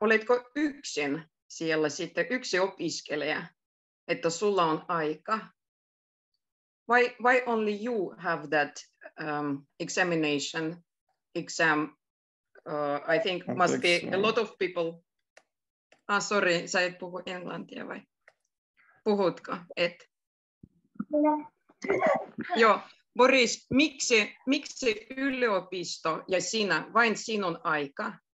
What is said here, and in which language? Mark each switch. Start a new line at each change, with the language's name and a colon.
Finnish: Oletko yksin siellä sitten, yksi opiskelija, että sulla on aika?
English: Why only you have that examination? I think must be a lot of people.
Finnish: Sorry, sä et puhu englantia vai? Puhutko? Et? Joo. Boris, miksi yliopisto ja sinä, vain sinun aika?